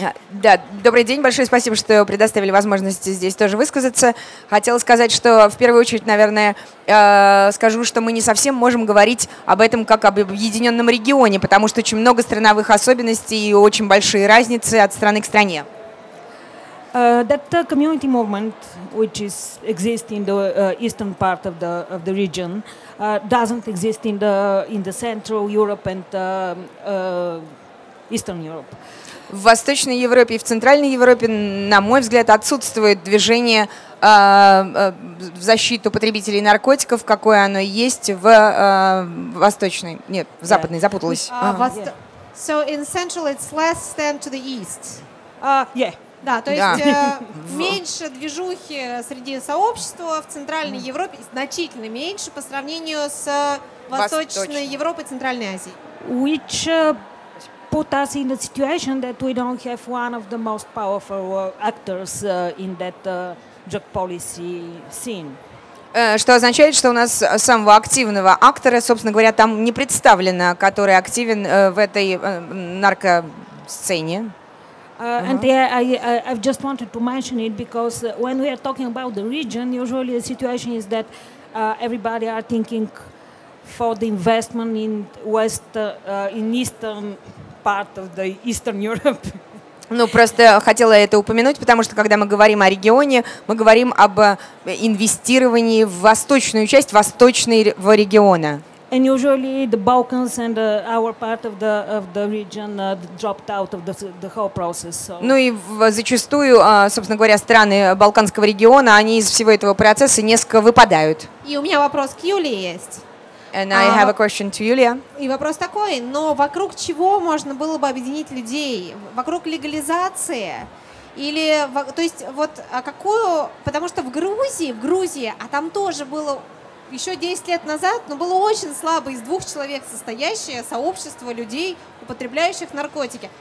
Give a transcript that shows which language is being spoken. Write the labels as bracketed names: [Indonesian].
[Russian] Да, добрый день, большое спасибо, что предоставили возможность здесь тоже высказаться. Хотела сказать, что в первую очередь, наверное, скажу, что мы не совсем можем говорить об этом как об объединенном регионе, потому что очень много страновых особенностей и очень большие разницы от страны к стране. [English] That community movement, which is exists in the eastern part of the region, doesn't exist in the Central Europe and Eastern Europe. [Russian] В Восточной Европе и в Центральной Европе, на мой взгляд, отсутствует движение в защиту потребителей наркотиков, какое оно есть в Восточной, нет, в Западной, yeah. Запуталась. [English] So in Central it's less than to the East. Yeah. [Russian] Да, то есть меньше движухи среди сообщества в Центральной Европе, значительно меньше по сравнению с Восточной Европой и Центральной Азией. [English] Which... put us in a situation that we don't have one of the most powerful actors in that drug policy scene. [Russian] Что означает, что у нас самого активного актора, собственно говоря, там не представлено, который активен в этой наркосцене. [English] And I've just wanted to mention it because when we are talking about the region, usually the situation is that everybody are thinking for the investment in west in eastern part of the Eastern Europe. [Russian] Ну, просто хотела это упомянуть, потому что, когда мы говорим о регионе, мы говорим об инвестировании в восточную часть восточного региона. [English] And usually the Balkans and our part of the region dropped out of the whole process. So. [Russian] Ну и зачастую, собственно говоря, страны Балканского региона, они из всего этого процесса несколько выпадают. И у меня вопрос к Юлии есть. [English] And I have a question to Yulia. [Russian] И вопрос такой, но вокруг чего можно было бы объединить людей? Вокруг легализации? Или, то есть, вот, какую, потому что в Грузии, а там тоже было еще 10 лет назад, но было очень слабо из двух человек состоящее сообщество людей, употребляющих наркотики.